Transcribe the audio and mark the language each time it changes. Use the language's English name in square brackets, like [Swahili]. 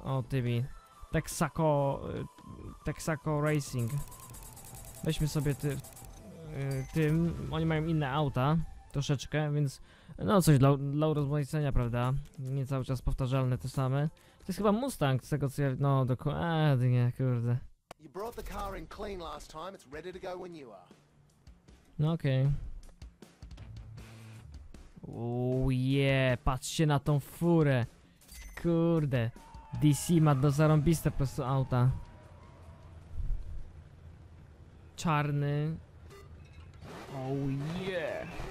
[Polish] O, tymi. Texaco... Texaco Racing. Weźmy sobie tym. Oni mają inne auta. Troszeczkę, więc... no, coś dla urozmaicenia, prawda? Nie cały czas powtarzalne te same. To jest chyba Mustang, z tego co ja... no, dokładnie, kurde. [English] You brought the car in clean last time. It's ready to go when you are. [Polish] No, okej. Yeah, patrzcie na tą furę. Kurde, DC ma do zarąbiste po prostu auta. Czarny. Oh yeah.